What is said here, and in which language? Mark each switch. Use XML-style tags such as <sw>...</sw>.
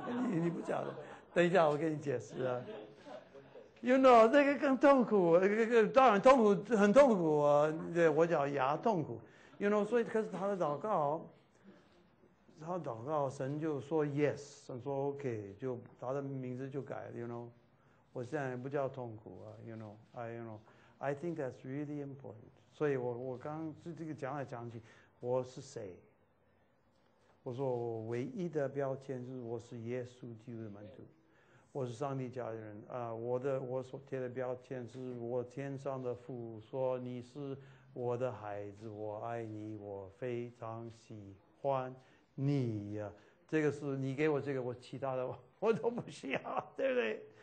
<zh>你不晓得，等一下我跟你解释啊。</zh> <en>You know,</en> <zh>那个更痛苦，当然痛苦，很痛苦啊。对，我叫牙痛苦。</zh> <en>You know,</en> <zh>所以可是他的祷告，他的祷告神就说 yes, 神说 OK, 就他的名字就改了。You know, 我现在不叫痛苦啊。</zh> <en>You know, I think that's really important.</en> <zh>所以我刚刚这个讲来讲去，我是谁？我说我唯一的标签就是我是耶稣基督的门徒，我是上帝家的人啊、我所贴的标签是我天上的父说你是我的孩子，我爱你，我非常喜欢你呀、啊、这个是你给我这个，我其他的我都不需要，对不对？</zh>